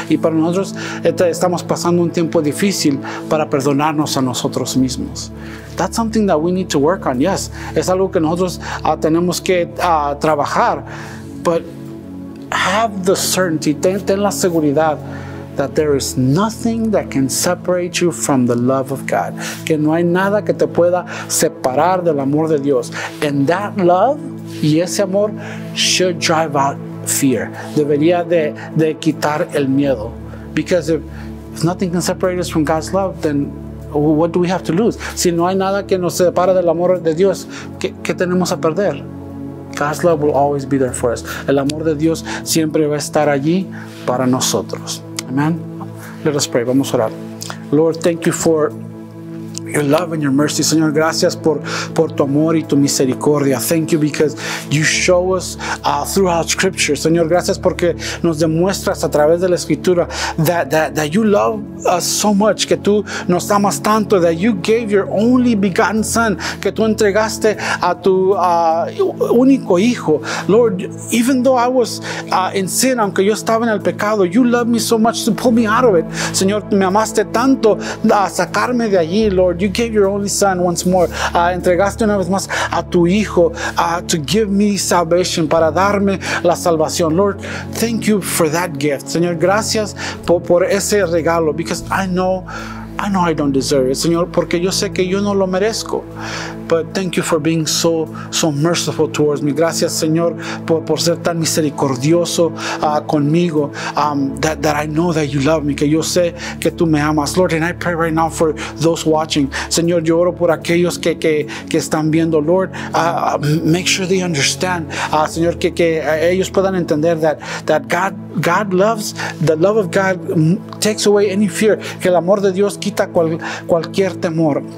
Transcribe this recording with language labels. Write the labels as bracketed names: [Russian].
[Spanish] Y para nosotros estamos pasando un tiempo difícil para perdonarnos a nosotros mismos. [English] That's something that we need to work on, yes. [Spanish] Es algo que nosotros tenemos que trabajar, [English] but have the certainty, [Spanish] ten la seguridad, [English] that there is nothing that can separate you from the love of God. [Spanish] Que no hay nada que te pueda separar del amor de Dios. [English] And that love, [Spanish] y ese amor, [English] should drive out fear. [Spanish] Debería de quitar el miedo. [English] Because if nothing can separate us from God's love, then what do we have to lose? [Spanish] Si no hay nada que nos separa del amor de Dios, ¿qué tenemos a perder? [English] God's love will always be there for us. [Spanish] El amor de Dios siempre va a estar allí para nosotros. [English] Amen. Let us pray. [Spanish] Vamos a orar. [English] Lord, thank you for your love and your mercy. [Spanish] Señor, gracias por tu amor y tu misericordia. [English] Thank you because you show us throughout scripture. [Spanish] Señor, gracias porque nos demuestras a través de la escritura [English] that you love us so much, [Spanish] que tú nos amas tanto, [English] that you gave your only begotten son, [Spanish] que tú entregaste a tu único hijo. [English] Lord, even though I was in sin, [Spanish] aunque yo estaba en el pecado, [English] you love me so much to pull me out of it. [Spanish] Señor, me amaste tanto a sacarme de allí, Lord. [English] You gave your only son once more. [Spanish] Entregaste una vez más a tu hijo [English] to give me salvation, [Spanish] para darme la salvación. [English] Lord, thank you for that gift. [Spanish] Señor, gracias por ese regalo, [English] because I know I don't deserve it. [Spanish] Señor, porque yo sé que yo no lo merezco. [English] But thank you for being so merciful towards me. [Spanish] Gracias, Señor, por ser tan misericordioso conmigo. [English] That I know that you love me. [Spanish] Que yo sé que tú me amas. [English] Lord, and I pray right now for those watching. [Spanish] Señor, yo oro por aquellos que están viendo. [English] Lord, make sure they understand. [Spanish] Señor, que ellos puedan entender [English] that God loves, the love of God takes away any fear. [Spanish] Que el amor de Dios quita cualquier temor.